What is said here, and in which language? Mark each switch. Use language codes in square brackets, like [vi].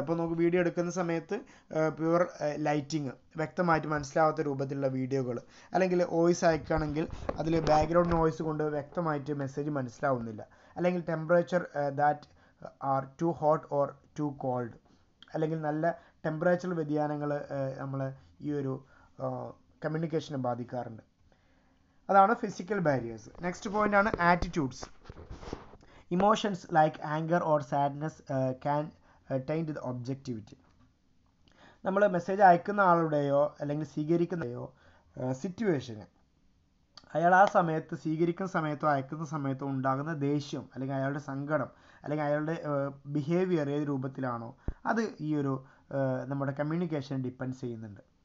[ml] അപ്പോൾ നമുക്ക് വീഡിയോ എടുക്കുന്ന സമയത്ത് പ്യുവർ ലൈറ്റിംഗ്, വ്യക്തമായിട്ട് മനസ്സിലാവാത്ത രൂപത്തിലുള്ള വീഡിയോകൾ, അല്ലെങ്കിൽ വോയിസ് അയക്കുകയാണെങ്കിൽ അതിൽ ബാക്ക്ഗ്രൗണ്ട് നോയ്സ് കൊണ്ട് വ്യക്തമായിട്ട് മെസ്സേജ് മനസ്സിലാവുന്നില്ല, അല്ലെങ്കിൽ [en] temperature that are too hot or too cold, [ml] അല്ലെങ്കിൽ നല്ല ടെമ്പറേച്ചർ വ്യതിയാനങ്ങൾ നമ്മൾ ഈ ഒരു കമ്മ്യൂണിക്കേഷനെ ബാധിക്കാറുണ്ട്. അതാണ് ഫിസിക്കൽ ബാരിയേഴ്സ്. നെക്സ്റ്റ് പോയിൻ്റാണ് attitudes. [en] Emotions like anger or sadness can taint the objectivity. [ml] നമ്മൾ മെസ്സേജ് അയക്കുന്ന ആളുടെയോ അല്ലെങ്കിൽ സ്വീകരിക്കുന്നതയോ സിറ്റുവേഷന്, അയാൾ ആ സമയത്ത് സ്വീകരിക്കുന്ന സമയത്തോ അയക്കുന്ന സമയത്തോ ഉണ്ടാകുന്ന ദേഷ്യം, അല്ലെങ്കിൽ അയാളുടെ സങ്കടം, അല്ലെങ്കിൽ അയാളുടെ ബിഹേവിയർ ഏത് രൂപത്തിലാണോ അത് ഈ ഒരു നമ്മുടെ കമ്മ്യൂണിക്കേഷൻ ഡിപ്പെൻഡ് ചെയ്യുന്നുണ്ട്.